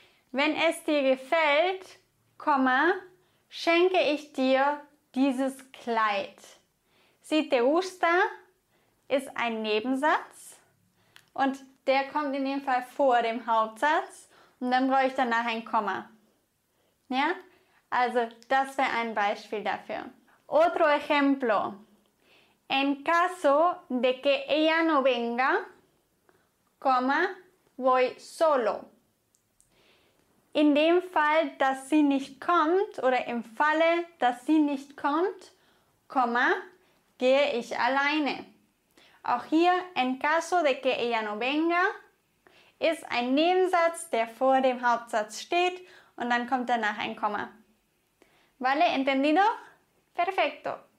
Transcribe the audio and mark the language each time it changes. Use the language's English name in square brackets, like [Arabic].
[German] Wenn es dir gefällt, coma, schenke ich dir dieses Kleid. [Spanish] Si te gusta [German] ist ein Nebensatz. Und der kommt in dem Fall vor dem Hauptsatz und dann brauche ich danach ein Komma. Ja? Also, das wäre ein Beispiel dafür. [Spanish] Otro ejemplo. En caso de que ella no venga, coma, voy solo. [German] In dem Fall, dass sie nicht kommt oder im Falle, dass sie nicht kommt, coma, gehe ich alleine. Auch hier, [Spanish] en caso de que ella no venga, [German] ist ein Nebensatz, der vor dem Hauptsatz steht und dann kommt danach ein Komma. [Spanish] ¿Vale? ¿Entendido? Perfecto.